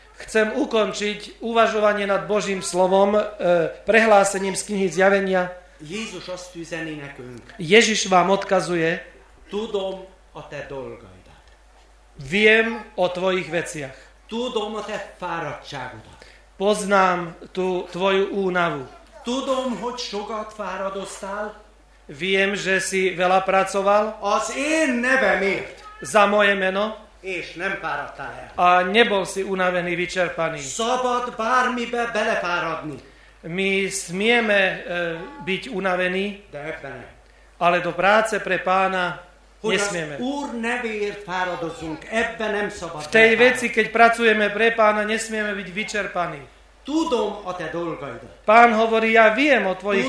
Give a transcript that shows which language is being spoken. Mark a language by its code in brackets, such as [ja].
[sk] Chcem ukončiť uvažovanie nad Božím slovom prehlásením z knihy Zjavenia. [hu] Jézus azt üzeni nekünk. [sk] Ježiš vám odkazuje. [hu] Tudom a te dolgaidat. [sk] Viem o tvojich veciach. [hu] Tudom a te fáradtságodat. [sk] Poznám tú tvoju únavu. [hu] Tudom, hogy sokat fáradoztál. [sk] Viem, že si veľa pracoval. [hu] Az én nevemért. [sk] Za moje meno. [hu] És nem fáradtál el. [sk] A nebol si unavený, vyčerpaný. [hu] Szabad bármibe belefáradni. [sk] My smieme byť unavení, [hu] de ebben. [sk] Ale do práce pre pána hogy nesmieme. [hu] Hogy az Úr nevéért fáradozzunk, ebben nem szabad. [sk] V tej veci, keď pracujeme pre pána, nesmieme byť vyčerpaní. [hu] Tudom o te dolgaidat. [sk] Pán hovorí, ja viem o tvojich